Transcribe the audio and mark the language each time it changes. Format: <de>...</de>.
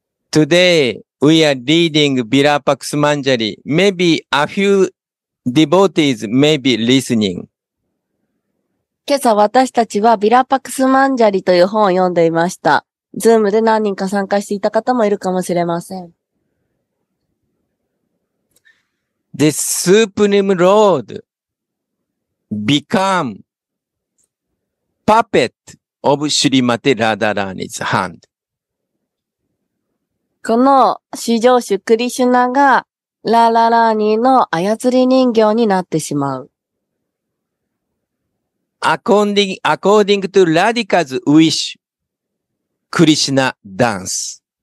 <en>Today, we are reading Virapaksumanjari. Maybe a few devotees may be listening.</en> <ja>今朝私たちはビラパクスマンジャリという本を読んでいました。 Zoom で何人か参加していた方もいるかもしれません。</ja> <en>The Supreme Lord become puppet of Shrimati Radharani's hand.</en> <ja>この至上主クリシュナがラララーニの操り人形になってしまう。</ja> <en>According to Radhika's wish, クリシュナダンス。</en>